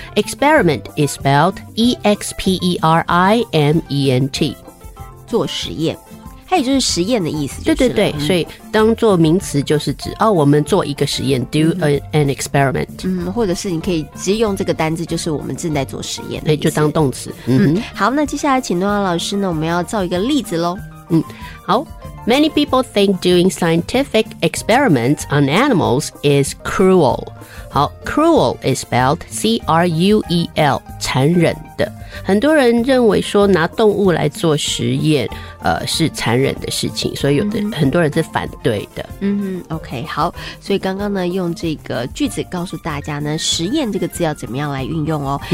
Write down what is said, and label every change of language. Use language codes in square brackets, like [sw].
[en] Experiment is spelled experiment， [zh] 做实验。它也就是实验的意思，对对对，所以当做名词就是指我们做一个实验 ， [en] do an experiment。 [zh] 或者是你可以直接用这个单字，就是我们正在做实验的意思，就当动词。好，那接下来请诺亚老师呢，我们要造一个例子喽。 [en] 好 ，Many people think doing scientific experiments on animals is cruel。好 ，cruel is spelled C-R-U-E-L， 残忍的。 [zh] 很多人认为说拿动物来做实验，是残忍的事情，所以有的很多人是反对的。 OK， 好，所以刚刚呢用这个句子告诉大家呢，实验这个字要怎么样来运用哦。